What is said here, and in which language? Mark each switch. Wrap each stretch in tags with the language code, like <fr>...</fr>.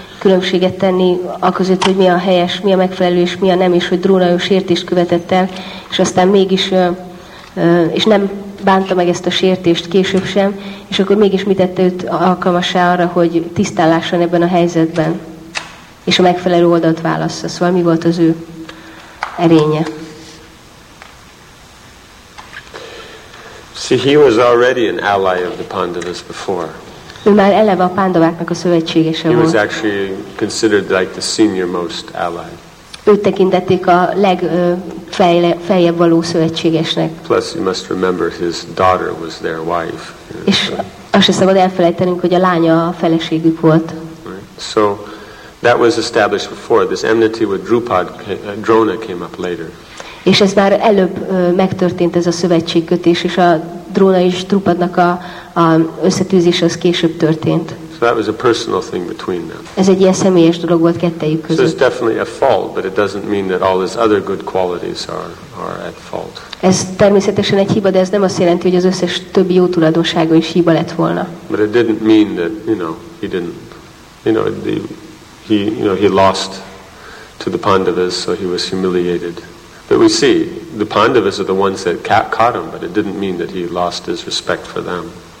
<hu>különbséget tenni a között, hogy mi a helyes, mi a megfelelő, és mi a nem, és hogy Dróna ő sértést követett el, és aztán mégis, és nem bánta meg ezt a sértést később sem, és akkor mégis mit tette őt alkalmassá arra, hogy tisztálláson ebben a helyzetben, és a megfelelő oldalt válaszza. Szóval mi volt az ő erénye?</hu> <en>See, he was already an ally of the Pandavas before.</en> <hu>Ő már eleve a Pándováknak a szövetségese volt.</hu> <en>He was actually considered like the senior most ally.</en> <hu>Őt tekintették a legfeljebb való szövetségesnek.</hu> <en>Plus, you must remember his daughter was their wife.</en> <hu>És azt sem szabad elfelejtenünk, hogy a lánya a feleségük volt.</hu> <en>So that was established before. This enmity with Drupad, Drona came up later.</en> <hu>És ez már előbb megtörtént, ez a szövetségkötés, és a Dróna és Drupadnak a összetűzés az később történt.</hu> <en>So that was a personal thing between them.</en> <hu>Ez egy ilyen személyes dolog volt kettejük között.</hu> <en>So it's definitely a fault, but it doesn't mean that all his other good qualities are at fault.</en> <hu>Ez természetesen egy hiba, de ez nem azt jelenti, hogy az összes többi jó tulajdonsága is hiba lett volna.</hu> <en>But it didn't mean that, you know, he didn't, you know, he lost to the Pandavas, so he was humiliated. But we see the Pandavas are the ones that caught him, but it didn't mean that he lost his respect for them.</en>